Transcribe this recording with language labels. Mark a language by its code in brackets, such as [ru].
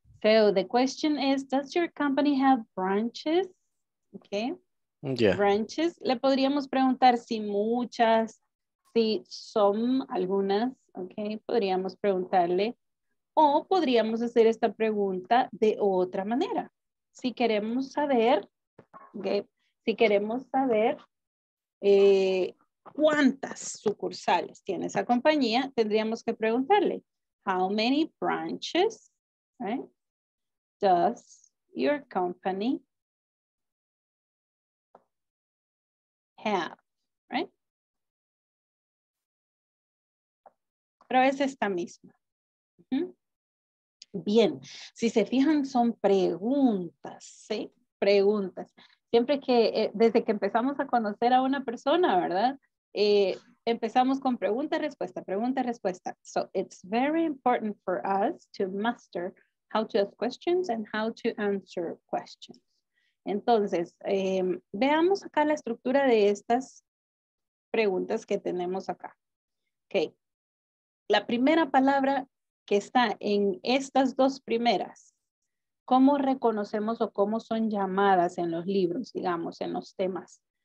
[en] So the question is, does your company have branches? Okay. Yeah. Branches. [es] Le podríamos preguntar si muchas, si son algunas. Okay. Podríamos preguntarle o podríamos hacer esta pregunta de otra manera. Si queremos saber, okay. Si queremos saber cuántas sucursales tiene esa compañía, tendríamos que preguntarle, how many branches, right, does your company have, right? Pero es esta misma. ¿Mm? Bien, si se fijan, son preguntas, ¿sí? Preguntas. Siempre que, desde que empezamos a conocer a una persona, ¿verdad? Empezamos con pregunta-respuesta, pregunta-respuesta. [en] So it's very important for us to master how to ask questions and how to answer questions. [es] Entonces, veamos acá la estructura de estas preguntas que tenemos acá. Okay. La primera palabra que está en estas dos primeras. ¿Cómo reconocemos o cómo son llamadas en los libros, digamos, en los temas?